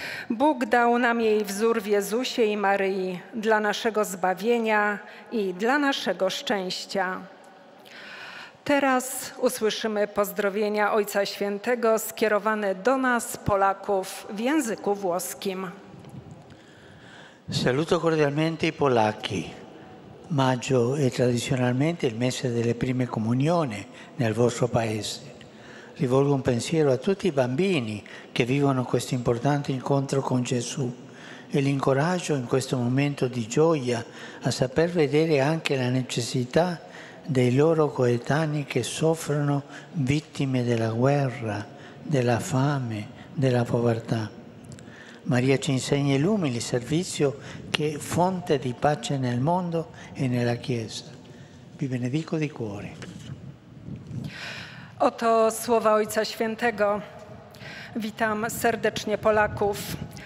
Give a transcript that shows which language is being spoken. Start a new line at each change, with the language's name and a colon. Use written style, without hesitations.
Polish: Bóg dał nam jej wzór w Jezusie i Maryi dla naszego zbawienia i dla naszego szczęścia. Teraz usłyszymy pozdrowienia Ojca Świętego skierowane do nas, Polaków, w języku włoskim.
Italian: Saluto cordialmente i Polaki. Maggio è tradizionalmente il mese delle prime comunioni nel vostro paese. Rivolgo un pensiero a tutti i bambini che vivono questo importante incontro con Gesù e li incoraggio in questo momento di gioia a saper vedere anche la necessità dei loro coetanei che soffrono vittime della guerra, della fame, della povertà. Maria ci insegna l'umile servizio che è fonte di pace nel mondo e nella Chiesa. Vi benedico di cuore.
Polish: Oto słowa Ojca Świętego. Witam serdecznie Polaków.